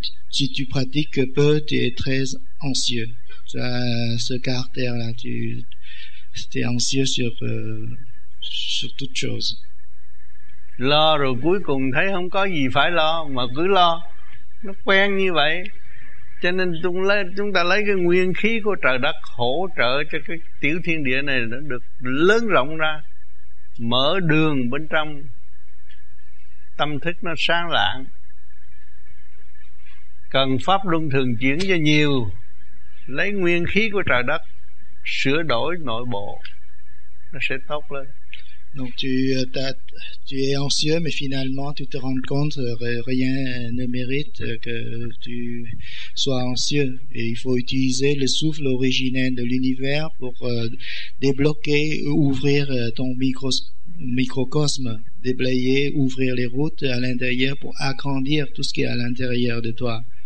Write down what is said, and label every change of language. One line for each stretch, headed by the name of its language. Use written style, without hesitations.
French: Si tu pratiques peu, tu es très anxieux. Tu as ce caractère là, tu es anxieux sur toute chose.
Vietnamese: Lo rồi cuối cùng thấy không có gì phải lo mà cứ lo. Nó quen như vậy. Cho nên chúng ta lấy cái nguyên khí của trời đất hỗ trợ cho cái tiểu thiên địa này nó được lớn rộng ra, mở đường bên trong, tâm thức nó sáng lạng. Cần pháp luân thường chuyển cho nhiều, lấy nguyên khí của trời đất sửa đổi nội bộ nó sẽ tốt lên.
French: Donc tu es anxieux, mais finalement tu te rends compte que rien ne mérite que tu sois anxieux. Et il faut utiliser le souffle originel de l'univers pour débloquer, ouvrir ton microcosme, déblayer, ouvrir les routes à l'intérieur pour agrandir tout ce qui est à l'intérieur de toi.